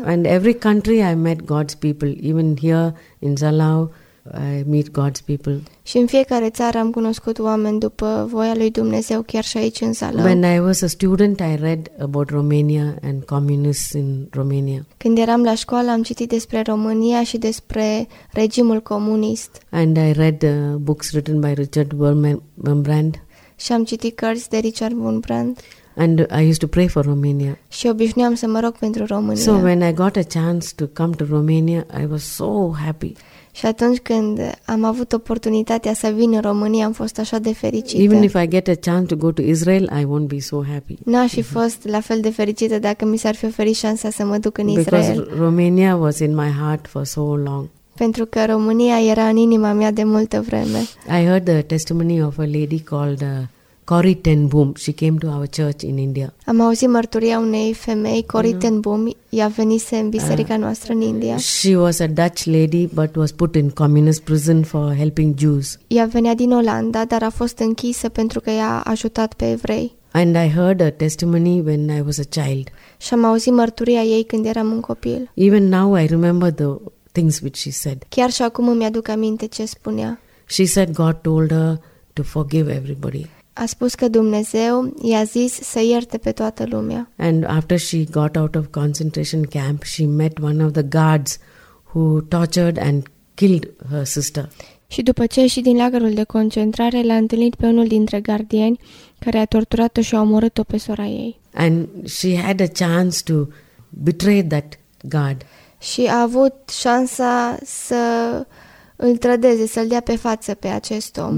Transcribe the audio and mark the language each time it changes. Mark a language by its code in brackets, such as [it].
[en] And every country I met God's people, even here in Zalau I meet God's people. [ro] Și în fiecare țară am cunoscut oameni după voia lui Dumnezeu, chiar și aici în Zalău. [en] When I was a student, I read about Romania and communists in Romania. [ro] Când eram la școală, am citit despre România și despre regimul comunist. [en] And I read books written by Richard Wurmbrand. [ro] Și am citit cărți de Richard Wurmbrand. [en] And I used to pray for Romania. [ro] Și obișnuiam să mă rog pentru România. [en] So when I got a chance to come to Romania, I was so happy. [ro] Și atunci când am avut oportunitatea să vin în România, am fost așa de fericită. [en] Even if I get a chance to go to Israel, I won't be so happy. [ro] N-aș fi fost la fel de fericită dacă mi s-ar fi oferit șansa să mă duc în Israel. [en] Because Romania was in my heart for so long. [ro] Pentru că România era în inima mea de multă vreme. [en] I heard the testimony of a lady called Corrie ten Boom. She came to our church in India. [ro] Am auzit mărturia unei femei, Corrie ten Boom. Ea venise în biserica noastră în India. [en] She was a Dutch lady but was put in communist prison for helping Jews. [ro] Ea venea din Olanda, dar a fost închisă pentru că i-a ajutat pe evrei. [en] And I heard a testimony when I was a child. [ro] Și am auzit mărturia ei când eram un copil. [en] Even now I remember the things which she said. [ro] Chiar și acum îmi aduc aminte ce spunea. [en] She said God told her to forgive everybody. [ro] a spus că Dumnezeu i-a zis să ierte pe toată lumea. [en] And after she got out of concentration camp, she met one of the guards who tortured and killed her sister. [ro] Și după ce a ieșit din lagărul de concentrare, l-a întâlnit pe unul dintre gardieni care a torturat-o și a omorât-o pe sora ei. [en] And she had a chance to betray that guard. [ro] Și a avut șansa să îl trădeze, să-l dea pe față pe acest om.